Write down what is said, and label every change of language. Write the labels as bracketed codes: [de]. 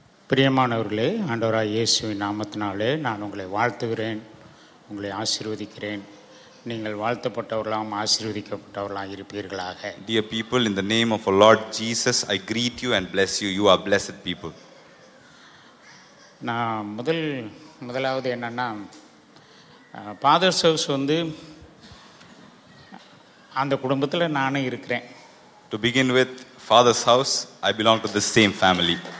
[ta] பிரியமானவர்களே, ஆண்டவராய் இயேசுவின் நாமத்தினாலே நான் உங்களை வாழ்த்துகிறேன், உங்களை ஆசீர்வதிக்கிறேன். நீங்கள் வாழ்த்தப்பட்டவர்களாம் ஆசீர்வதிக்கப்பட்டவர்களாம் இருப்பீர்களாக. [en] Dear people, in the name of our Lord Jesus, I greet you and bless you. You are blessed people. [ta] நான் முதலாவது என்னென்னா, ஃபாதர் சர்வ்ஸ் வந்து அந்த குடும்பத்தில் நானும் இருக்கிறேன். [en] To begin with, Father's house, I belong to the same family.